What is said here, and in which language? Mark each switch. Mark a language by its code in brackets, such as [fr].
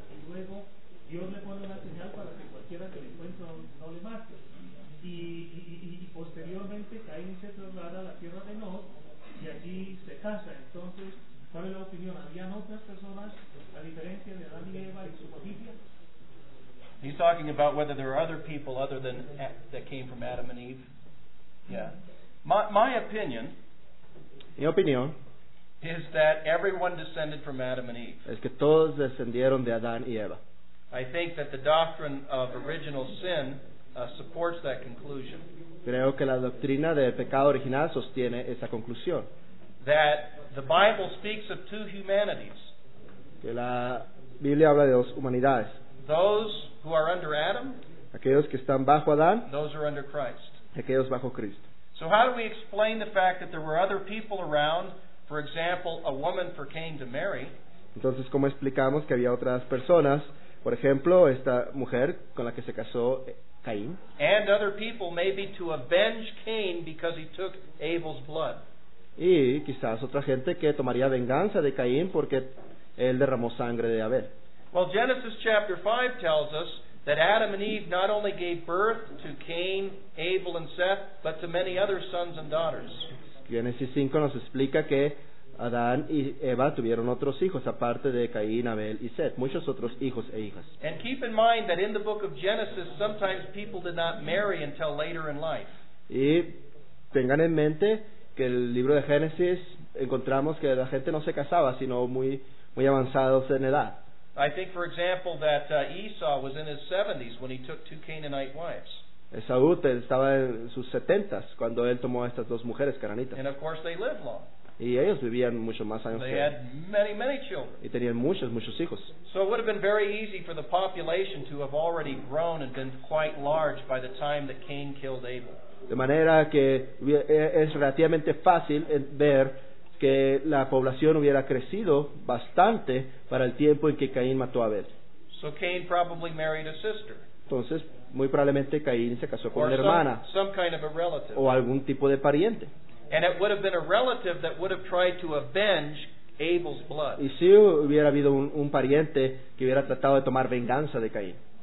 [es] Y luego Dios le pone una señal para que cualquiera que le encuentre no le mate. Y posteriormente Caín se traslada a la tierra de Nod y allí se casa. Entonces, ¿cuál es la opinión? ¿Habían otras personas a diferencia de Adán y Eva y su familia? [en] He's talking about whether there are other people other than that came from Adam and Eve. Yeah. My opinion. [es] Mi opinión. [en] Is that everyone descended from Adam and Eve? [es] Es que todos descendieron de Adán y Eva. [en] I think that the doctrine of original sin supports that conclusion. [es] Creo que la doctrina del pecado original sostiene esa conclusión. [en] That the Bible speaks of two humanities. [es] Que la Biblia habla de dos humanidades. [en] Those who are under Adam. [es] Aquellos que están bajo Adán. [en] Those are under Christ. [es] Aquellos bajo Cristo. [en] So how do we explain the fact that there were other people around, for example, a woman for Cain to marry? [es] Entonces, ¿cómo explicamos que había otras personas? Por ejemplo, esta mujer con la que se casó Caín. [en] And other people maybe to avenge Cain because he took Abel's blood. [es] Y quizás otra gente que tomaría venganza de Caín porque él derramó sangre de Abel. [en] Well, Genesis chapter 5 tells us that Adam and Eve not only gave birth to Cain, Abel and Seth, but to many other sons and daughters. [es] Génesis 5 nos explica que Adán y Eva tuvieron otros hijos aparte de Caín, Abel y Seth, muchos otros hijos e hijas. [en] And keep in mind that in the book of Genesis sometimes people did not marry until later in life. [es] Y tengan en mente que el libro de Génesis encontramos que la gente no se casaba sino muy muy avanzados en edad. [en] I think, for example, that Esau was in his 70s when he took two Canaanite wives. [es] Esaú estaba en sus 70s cuando él tomó a estas dos mujeres cananitas. [en] And of course they lived long. [es] Y ellos vivían mucho más años. [en] They had many, many children. [es] Y tenían muchos, muchos hijos. [en] So it would have been very easy for the population to have already grown and been quite large by the time that Cain killed Abel. [es] De manera que es relativamente fácil ver que la población hubiera crecido bastante para el tiempo en que Caín mató a Abel. [en] So Cain probably married a sister. [es] Entonces, muy probablemente Caín se casó con [en] or [es] una hermana [en] some kind of a relative. [es] O algún tipo de pariente. [en] And it would have been a relative that would have tried to avenge Abel's blood. [es] Y si hubiera habido un pariente que hubiera tratado de tomar venganza de Caín.